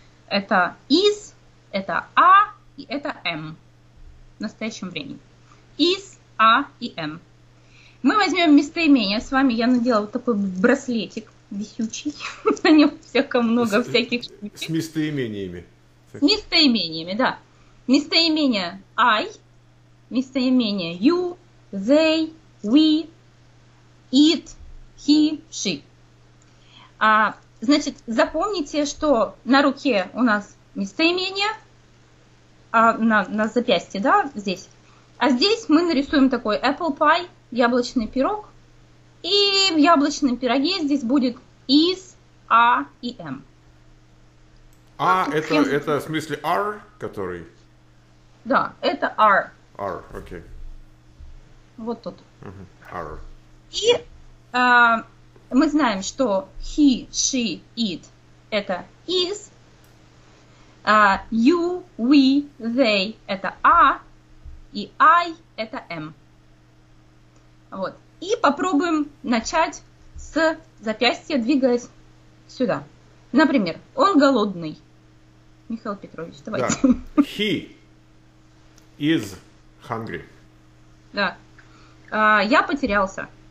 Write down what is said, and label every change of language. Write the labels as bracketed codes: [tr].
[ru] Это is, это a и это am в настоящем времени. [en] Is, a [ru] и [en] am. [ru] Мы возьмем местоимение с вами. Я надела вот такой браслетик висючий. На нем всяко много всяких штучек. С местоимениями. С местоимениями, да. Местоимение I, местоимение you, they, we, it, he, she. Значит, запомните, что на руке у нас местоимение, а на запястье, да, здесь. А здесь мы нарисуем такой apple pie, яблочный пирог. И в яблочном пироге здесь будет is, a и am. А ну, это в смысле r, который? Да, это r. R, окей. Okay. Вот тут. Uh-huh. R. И мы знаем, что he, she, it это is. You, we, they это a. И I это am. Вот. И попробуем начать с запястья, двигаясь сюда. Например, он голодный. Михаил Петрович, давайте. [en] Да. He is hungry. [ru] Да. Я потерялся.